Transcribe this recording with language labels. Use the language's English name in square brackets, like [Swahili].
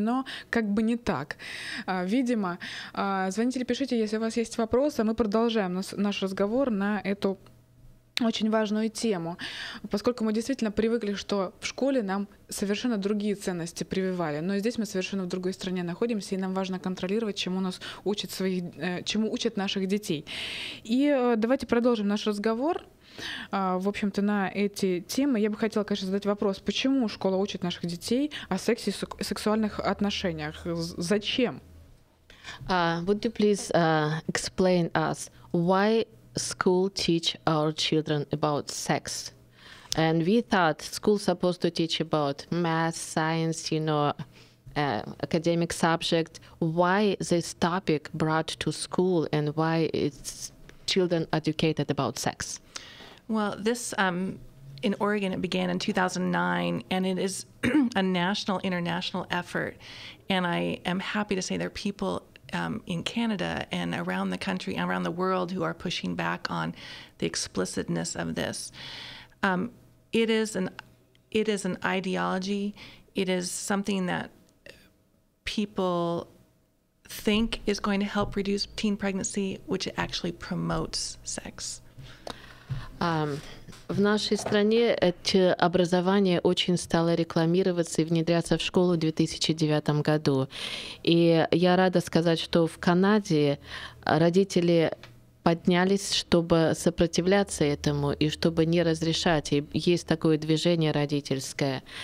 [Russian] Но как бы не так. Видимо, звоните или пишите, если у вас есть вопросы, мы продолжаем наш разговор на эту очень важную тему, поскольку мы действительно привыкли, что в школе нам совершенно другие ценности прививали, но здесь мы совершенно в другой стране находимся, и нам важно контролировать, чему учат наших детей. И давайте продолжим наш разговор, в общем-то, на эти темы. Я бы хотела, конечно, задать вопрос, почему школа учит наших детей о сексе и сексуальных отношениях? Зачем? [English] Would you please explain us why school teach our children about sex? And we thought school supposed to teach about math, science, you know, academic subject. Why this topic brought to school and why it's children educated about sex? Well, this in Oregon, it began in 2009, and it is a national, international effort. And I am happy to say there are people in Canada and around the country and around the world who are pushing back on the explicitness of this. It is an ideology. It is something that people think is going to help reduce teen pregnancy, which actually promotes sex. [Russian] В нашей стране это образование очень стало рекламироваться и внедряться в школу в 2009 году. И я рада сказать, что в Канаде родители поднялись, чтобы сопротивляться этому и чтобы не разрешать. И есть такое движение родительское.